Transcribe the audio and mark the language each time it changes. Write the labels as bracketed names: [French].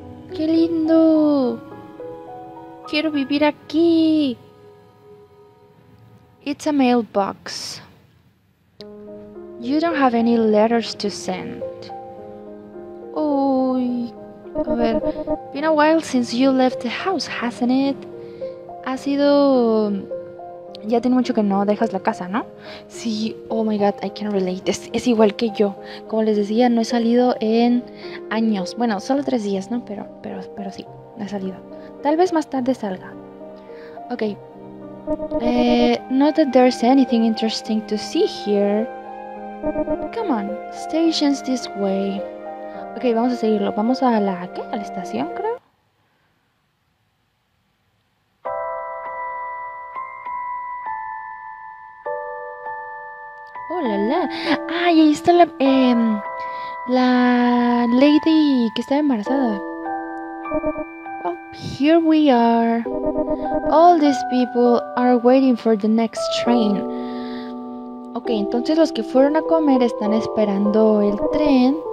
[Spanish] ¡Qué lindo! ¡Quiero vivir aquí! [English] It's a mailbox. You don't have any letters to send. [Spanish] Uy, a ver, [English] been a while since you left the house, hasn't it? [Spanish] Ha sido... Ya tiene mucho que no dejas la casa, ¿no? [English] Sí, oh my god, I can relate. [Spanish] Es igual que yo. Como les decía, no he salido en años. Bueno, solo 3 días, ¿no? Pero sí, no he salido. Tal vez más tarde salga. Ok. [English] Not that there's anything interesting to see here. Come on, station's this way. [Spanish] Ok, vamos a seguirlo. Vamos a la... ¿qué? A la estación, creo. Ay, ahí está la... la lady que está embarazada. [English] Well, here we are. All these people are waiting for the next train. [Spanish] Ok, entonces los que fueron a comer están esperando el tren.